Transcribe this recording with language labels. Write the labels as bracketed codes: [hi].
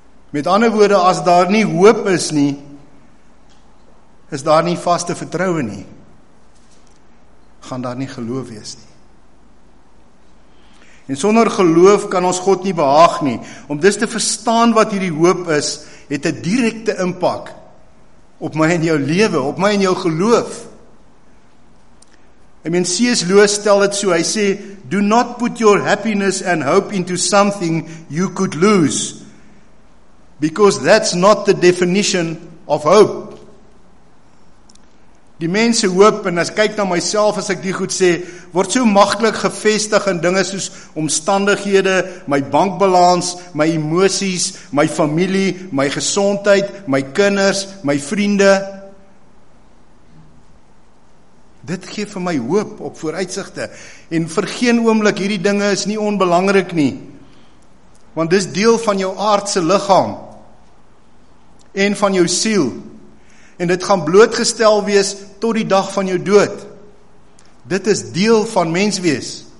[af] Met ander woorde, as daar nie hoop is nie, is daar nie vaste vertroue nie, gaan daar nie geloof wees nie. En sonder geloof kan ons God nie behaag nie. Om dus te verstaan wat hierdie hoop is, het 'n direkte impak op my en jou lewe, op my en jou geloof. [en] I mean, C.S. [af] Lewis stel dit so, hy sê, [en] do not put your happiness and hope into something you could lose, because that's not the definition of hope. [af] Die mense hoop, en as ek kyk na myself, as ek die goed sê, word so maklik gevestig in dinge soos omstandighede, my bankbalans, my emosies, my familie, my gesondheid, my kinders, my vriende. Dit gee vir my hoop op vooruitsigte. En vir geen oomblik, hierdie dinge is nie onbelangrik nie. Want dis deel van jou aardse liggaam en van jou siel. En dit gaan blootgestel wees tot die dag van jou dood. Dit is deel van mens wees.